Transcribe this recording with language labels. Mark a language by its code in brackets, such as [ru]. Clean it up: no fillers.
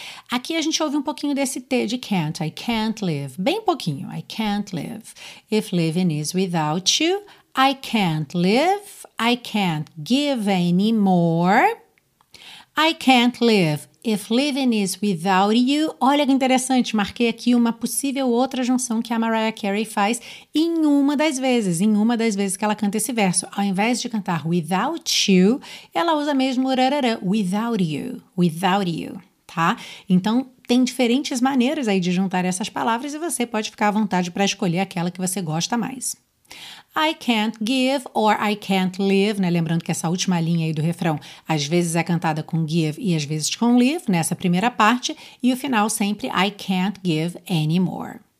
[pt] Aqui a gente ouve um pouquinho desse T de [en] can't, I can't live, [pt] bem pouquinho, [en] I can't live if living is without you, I can't live, I can't give anymore, I can't live if living is without you. [pt] Olha que interessante, marquei aqui uma possível outra junção que a Mariah Carey faz em uma das vezes que ela canta esse verso. Ao invés de cantar [en] without you, [pt] ela usa mesmo rarara, without you, tá? Então, tem diferentes maneiras aí de juntar essas palavras e você pode ficar à vontade para escolher aquela que você gosta mais. [en] I can't give or I can't live, né? [pt] Lembrando que essa última linha aí do refrão às vezes é cantada com give e às vezes com live nessa primeira parte e o final sempre [en] I can't give anymore.